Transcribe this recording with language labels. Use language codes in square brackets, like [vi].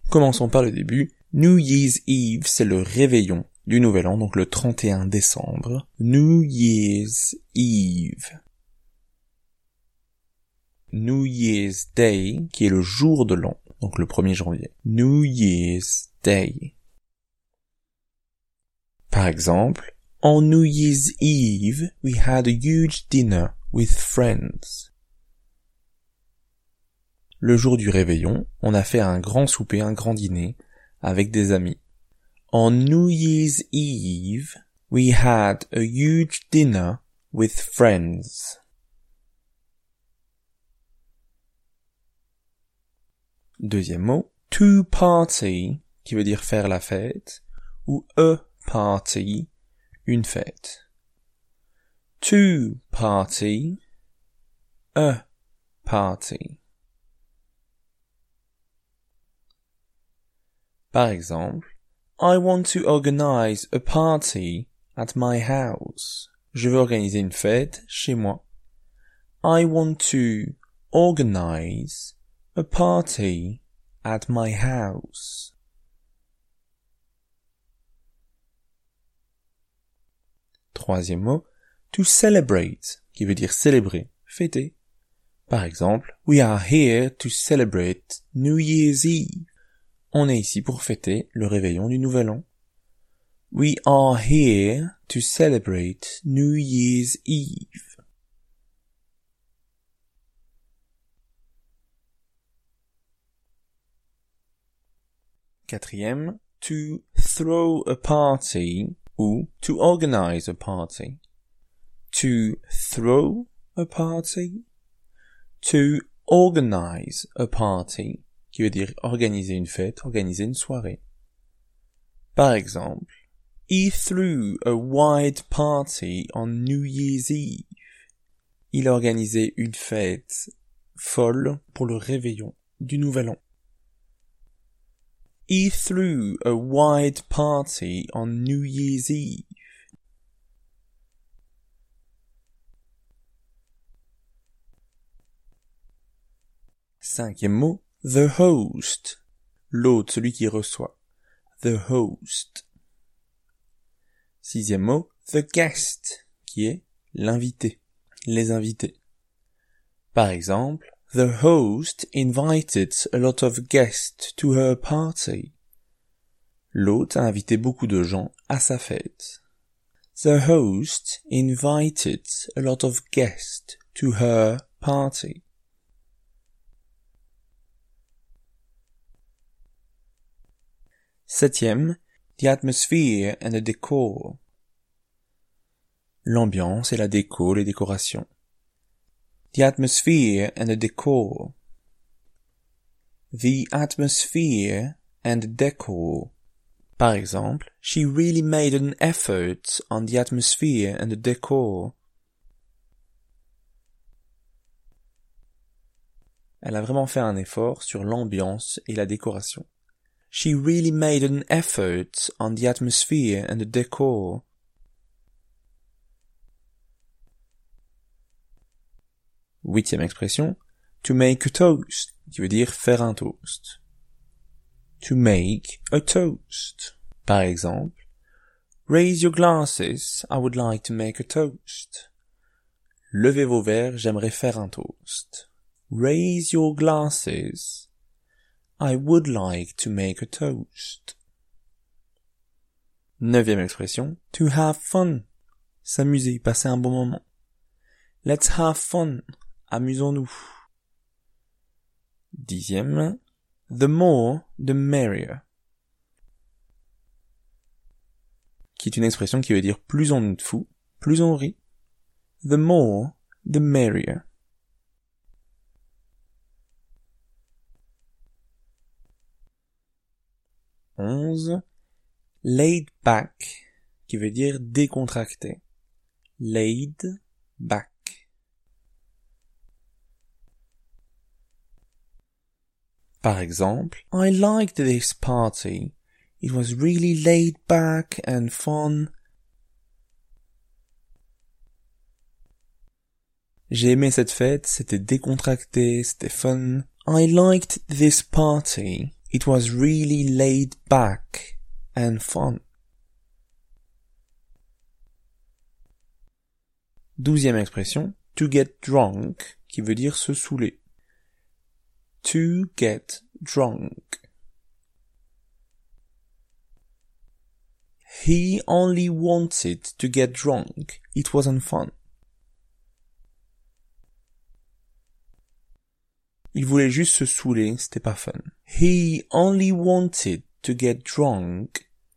[fr] Commençons par le début. New Year's Eve, c'est le réveillon du nouvel an, donc le 31 décembre. [en] New Year's Eve. [fr] New Year's Day, qui est le jour de l'an, donc le 1er janvier. [en] New Year's Day. [fr] Par exemple, [en] on New Year's Eve, we had a huge dinner with friends. [fr] Le jour du réveillon, on a fait un grand souper, un grand dîner, avec des amis. [en] On New Year's Eve, we had a huge dinner with friends. [fr] Deuxième mot, to party, qui veut dire faire la fête, ou a party, une fête. [en] To party, a party. [fr] Par exemple, [en] I want to organize a party at my house. [fr] Je veux organiser une fête chez moi. [en] I want to organize a party at my house. [fr] Troisième mot, to celebrate, qui veut dire célébrer, fêter. Par exemple, [en] we are here to celebrate New Year's Eve. [fr] On est ici pour fêter le réveillon du nouvel an. [en] We are here to celebrate New Year's Eve. [fr] Quatrième, [en] to throw a party [fr] ou [en] to organize a party. To throw a party. To organize a party. [fr] Qui veut dire organiser une fête, organiser une soirée. Par exemple, [en] He threw a wide party on New Year's Eve. [fr] Il a organisé une fête folle pour le réveillon du Nouvel An. [en] He threw a wide party on New Year's Eve. [fr] Cinquième mot, the host, l'hôte, celui qui reçoit, the host. Sixième mot, the guest, qui est l'invité, les invités. Par exemple, [en] the host invited a lot of guests to her party. [fr] L'hôte a invité beaucoup de gens à sa fête. [en] The host invited a lot of guests to her party. [fr] Septième, [en] the atmosphere and the decor. [fr] L'ambiance et la déco, les décorations. [en] The atmosphere and the decor. The atmosphere and the decor. [fr] Par exemple, [en] she really made an effort on the atmosphere and the decor. [fr] Elle a vraiment fait un effort sur l'ambiance et la décoration. [en] She really made an effort on the atmosphere and the decor. [fr] Huitième expression, to make a toast, qui veut dire faire un toast. [en] To make a toast. [fr] Par exemple, [en] raise your glasses, I would like to make a toast. [fr] Levez vos verres, j'aimerais faire un toast. [en] Raise your glasses. I would like to make a toast. [fr] Neuvième expression, to have fun, s'amuser, passer un bon moment. [en] Let's have fun, [fr] amusons-nous. Dixième, the more, the merrier, qui est une expression qui veut dire plus on est fou, plus on rit. [en] The more, the merrier. [fr] Laid back, qui veut dire décontracté. [en] Laid back. [fr] Par exemple, [en] I liked this party. It was really laid back and fun. [fr] J'ai aimé cette fête, c'était décontracté, c'était fun. [en] I liked this party. It was really laid back and fun. [fr] Douzième expression, to get drunk, qui veut dire se saouler. [en] To get drunk. He only wanted to get drunk. It wasn't fun. [fr] Il voulait juste se saouler, c'était pas fun. [en] He only wanted to get drunk.